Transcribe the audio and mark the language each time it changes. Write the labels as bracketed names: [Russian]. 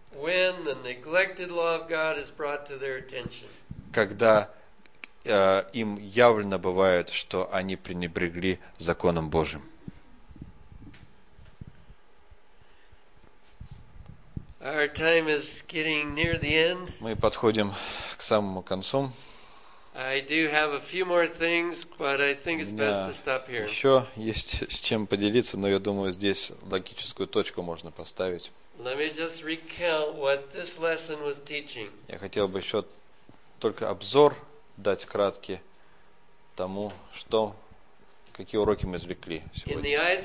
[English] When the neglected law of God is brought to their attention. [Russian] Когда им явно бывает, что они пренебрегли законом Божьим. [English] Our time is getting near the end. [Russian] Мы подходим к самому концу. [English] I do have a few more things, but I think it's best to stop here. [Russian] Еще есть с чем поделиться, но я думаю, здесь логическую точку можно поставить. [English] Let me just recount what this lesson was teaching. [Russian] Я хотел бы еще только обзор дать краткий тому, что, какие уроки мы извлекли сегодня.